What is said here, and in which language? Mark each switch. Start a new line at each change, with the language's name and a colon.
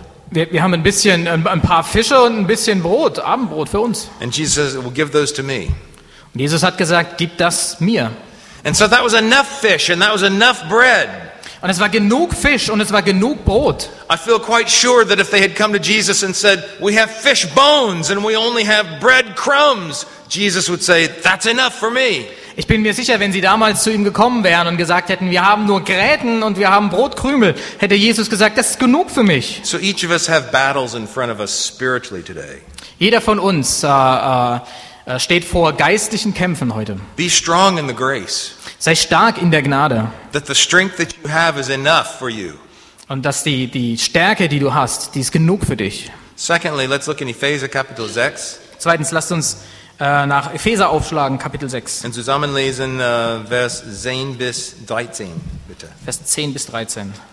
German: Wir haben ein paar Fische und ein bisschen Brot, Abendbrot für uns.
English: And Jesus says, well, give those to me.
German: Und Jesus hat gesagt, gib das mir.
English: And so that was enough fish and that was enough bread.
German: Und es war genug Fisch und es war genug Brot.
English: I feel quite sure that if they had come to Jesus and said, we have fish bones and we only have bread crumbs, Jesus would say, that's enough for me.
German: Ich bin mir sicher, wenn sie damals zu ihm gekommen wären und gesagt hätten, wir haben nur Gräten und wir haben Brotkrümel, hätte Jesus gesagt, das ist genug für mich.
English: So each of us have battles in front of us spiritually today.
German: Jeder von uns steht vor geistlichen Kämpfen heute.
English: Be strong in the grace.
German: Sei stark in der Gnade.
English: That the strength that you have is enough for you.
German: Und dass die Stärke, die du hast, die ist genug für dich.
English: Secondly, let's look in Epheser Kapitel 6.
German: Zweitens, lasst uns nach Epheser aufschlagen, Kapitel 6. Und zusammenlesen Vers 10 bis 13, bitte. Vers 10 bis 13.